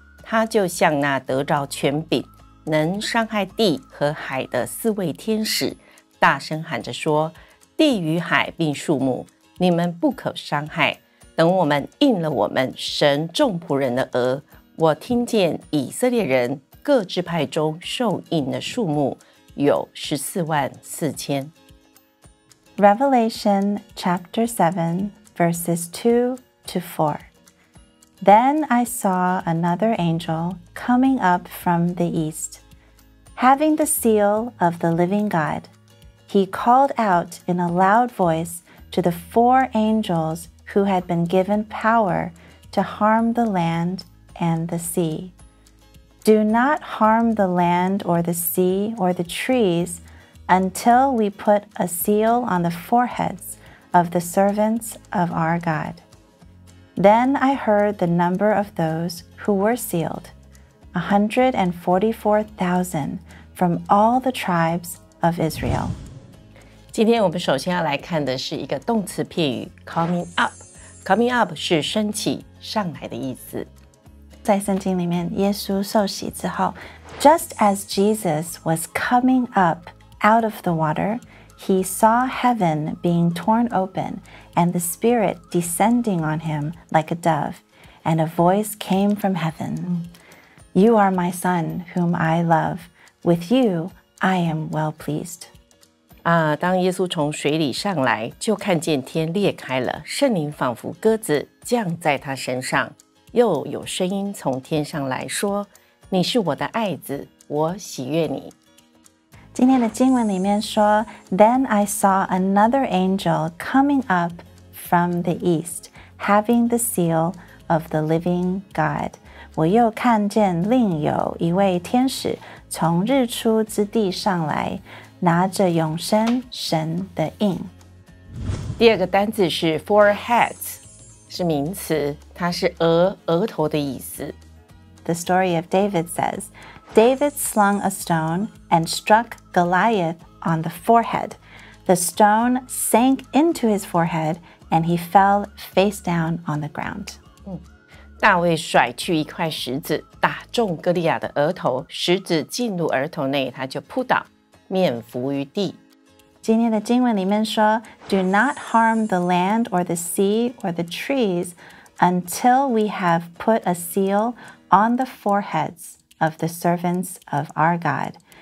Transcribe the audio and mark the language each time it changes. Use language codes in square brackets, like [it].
[zh] 他就向那得着权柄能伤害地和海的四位天使大声喊着说地与海并树木你们不可伤害等我们印了我们神众仆人的额我听见以色列人各支派中受印的数目有144,000 [en] Revelation chapter 7 verses 2 to 4 Then I saw another angel coming up from the east, having the seal of the living God. He called out in a loud voice to the four angels who had been given power to harm the land and the sea. Do not harm the land or the sea or the trees until we put a seal on the foreheads of the servants of our God. Then I heard the number of those who were sealed, 144,000 from all the tribes of Israel. [zh] 今天我们首先要来看的是一个动词片语 coming up. Coming up 是升起、上来的意思。在圣经里面耶稣受洗之后 [en] Just as Jesus was coming up out of the water He saw heaven being torn open And the Spirit descending on him like a dove And a voice came from heaven You are my son whom I love With you I am well pleased [zh] 当耶稣从水里上来就看见天裂开了圣灵仿佛鸽子降在他身上又有声音从天上来说你是我的爱子我喜悦你今天的经文里面说 [en] Then I saw another angel coming up from the east having the seal of the living God [zh] 我又看见另有一位天使从日出之地上来拿着永生神的印第二个单字是 foreheads是名词，它是额，额头的意思。 [en] The story of David says, David slung a stone and struck Goliath on the forehead. The stone sank into his forehead and he fell face down on the ground. [zh] 大卫甩去一块石子，打中哥利亚的额头，石子进入额头内，他就扑倒，面伏于地。今天的经文里面说 [en] Do not harm the land or the sea or the trees until we have put a seal on the foreheads of the servants of our God.